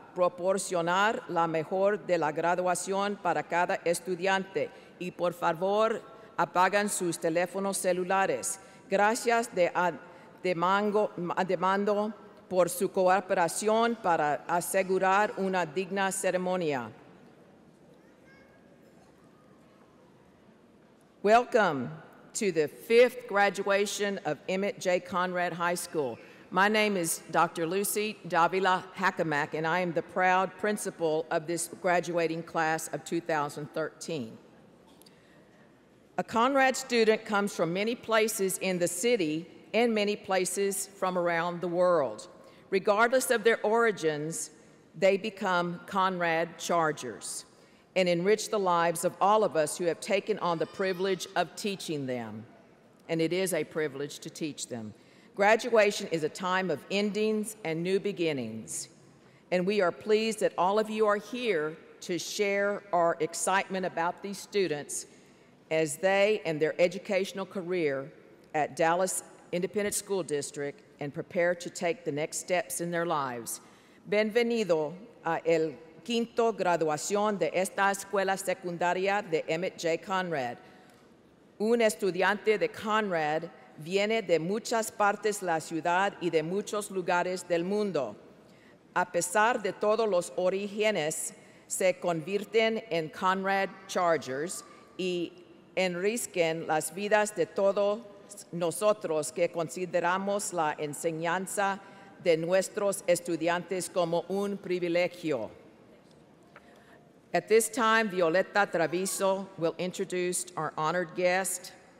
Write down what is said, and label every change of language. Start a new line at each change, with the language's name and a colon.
Spanish: proporcionar la mejor de la graduación para cada estudiante. Y por favor, apagan sus teléfonos celulares. Gracias de mando por su cooperación para asegurar una digna ceremonia.
English: Welcome to the fifth graduation of Emmett J. Conrad High School. My name is Dr. Lucy Davila Hackamack, and I am the proud principal of this graduating class of 2013. A Conrad student comes from many places in the city and many places from around the world. Regardless of their origins, they become Conrad Chargers and enrich the lives of all of us who have taken on the privilege of teaching them. And it is a privilege to teach them. Graduation is a time of endings and new beginnings. And we are pleased that all of you are here to share our excitement about these students as they and their educational career at Dallas Independent School District and prepare to take the next steps in their lives.
Spanish: Bienvenido a el quinto graduación de esta escuela secundaria de Emmett J. Conrad. Un estudiante de Conrad viene de muchas partes de la ciudad y de muchos lugares del mundo. A pesar de todos los orígenes, se convierten en Conrad Chargers y enriquecen las vidas de todos nosotros que consideramos la enseñanza de nuestros estudiantes como un privilegio.
English: At this time, Violeta Traviso will introduce our honored guest.